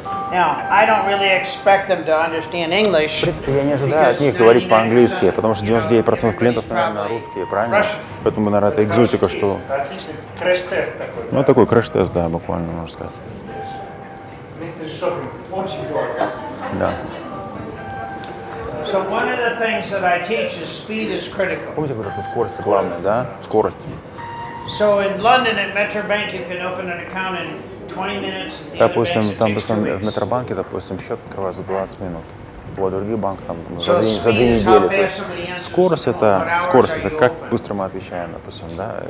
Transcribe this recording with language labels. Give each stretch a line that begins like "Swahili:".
English: Now, I don't really expect them to understand English.
Russian: В принципе, я не ожидаю от них говорить по-английски, потому что 99% клиентов, наверное, русские, правильно? Поэтому, наверное, это экзотика, что... Отличный крэш-тест такой. Ну, такой крэш-тест, да, буквально, можно сказать. Мистер Шоппинг, очень дорого. Да.
English: So one of the things that I teach is speed is critical.
Russian: Помните, я говорю, что скорость главная, да? Скорость.
English: So in London at Metro Bank you can open an account in 20 minutes.
Russian: Допустим, там в Metro Bank, допустим, счет открывается за 20 минут. Вот другие банки там за две недели. Скорость это как быстро мы отвечаем, допустим, да?